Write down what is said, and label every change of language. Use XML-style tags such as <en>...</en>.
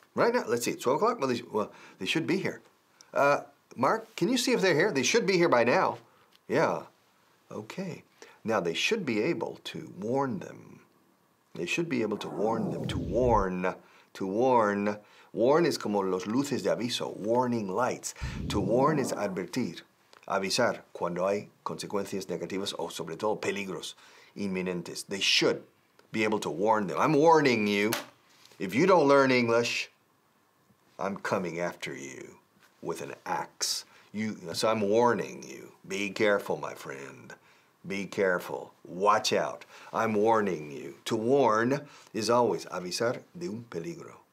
<en>Right now, let's see, 12 o'clock? Well, they should be here. Mark, can you see if they're here? They should be here by now. Yeah, okay. Now they should be able to warn them. They should be able to warn them, to warn. Warn is</en> <es>como los luces de aviso, warning lights.</es> <en>To warn is</en> <es>advertir, avisar cuando hay consecuencias negativas o sobre todo peligros inminentes.</es> <en>They should be able to warn them. I'm warning you, if you don't learn English, I'm coming after you with an axe. So I'm warning you. Be careful, my friend. Be careful. Watch out. I'm warning you. To warn is always</en> <es>avisar de un peligro.</es>